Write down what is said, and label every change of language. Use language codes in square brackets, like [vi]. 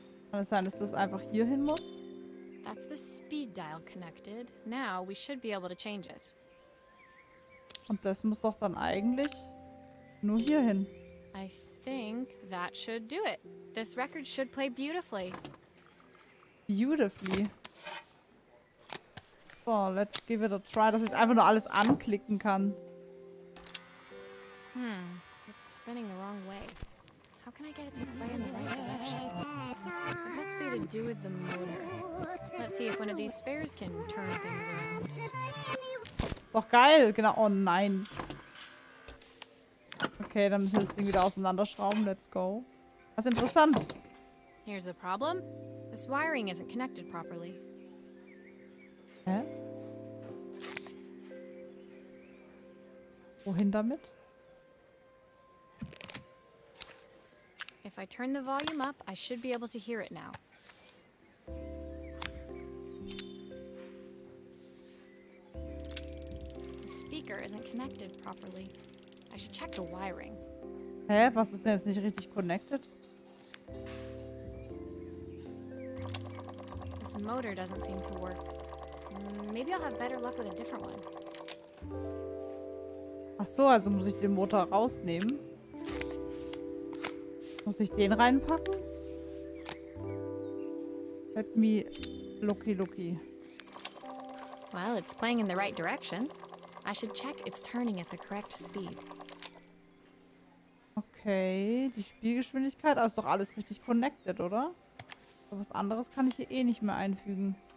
[de] Kann es sein, dass das einfach hier hin muss? [en] That's the speed dial connected. Now we should be able to change it. [de] Und das muss doch dann eigentlich... Nur hierhin. [en] I think that should do it. This record should play beautifully. Beautifully. So, let's give it a try, [de] dass ich einfach nur alles anklicken kann. [en] It's spinning the wrong way. How can I get it to play in the right direction? It must be to do with the motor. Let's see if one of these spares can turn things around. [de] Ist doch geil, genau. Oh nein. Okay, dann müssen wir das Ding wieder auseinanderschrauben. [en] Let's go. [de] Das ist interessant. [en] Here's the problem. This wiring isn't connected properly. Hä? [de] Wohin damit? [en] If I turn the volume up, I should be able to hear it now. The speaker isn't connected properly. I should check the wiring. [de] Hä? Was ist denn jetzt nicht richtig connected? [en] This motor doesn't seem to work. Maybe I'll have better luck with a different one. [de] Ach so, also muss ich den Motor rausnehmen? Muss ich den reinpacken? [en] Let me looky looky. Well, it's playing in the right direction. I should check it's turning at the correct speed. [de] Okay, die Spielgeschwindigkeit, also ist doch alles richtig connected, oder? Aber was anderes kann ich hier eh nicht mehr einfügen.